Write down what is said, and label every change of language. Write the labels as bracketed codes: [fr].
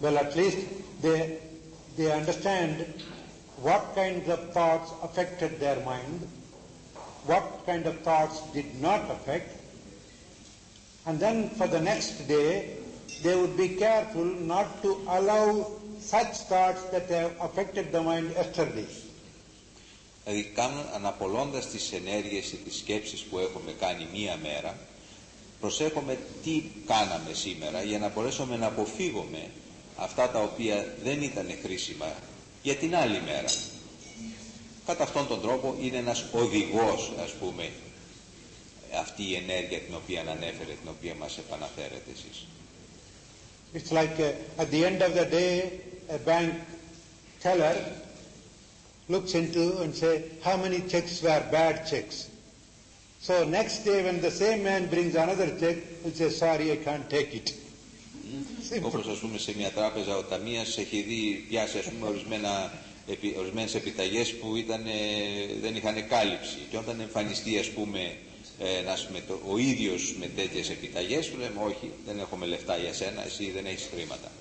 [en] Well, at least they understand what kinds of thoughts affected their mind, what kind of thoughts did not affect, and then for the next day they would be careful not to allow such thoughts that have affected the mind yesterday. [el] Δηλαδή, αναπολώντας τις ενέργειες ή τις σκέψεις που έχουμε κάνει μία μέρα, προσέχουμε τι κάναμε σήμερα για να μπορέσουμε να αποφύγουμε αυτά τα οποία δεν ήταν χρήσιμα για την άλλη μέρα. Κατά αυτόν τον τρόπο είναι ένας οδηγός, ας πούμε, αυτή η ενέργεια την οποία ανέφερε, την οποία μας επαναφέρετε εσείς. [en] It's like at the end of the day a bank teller looks into and say, how many checks were bad checks? So next day when the same man brings another check, he says, sorry, I can't take it. [el] Όπως ας πούμε σε μια τράπεζα ο ταμείας έχει δει πιάσει, ας πούμε, ορισμένες επιταγές που δεν είχαν κάλυψη. Και όταν εμφανιστεί, ας πούμε, ο ίδιος με τέτοιες επιταγές, του λέμε, όχι, δεν έχουμε λεφτά για σένα, εσύ δεν έχεις χρήματα.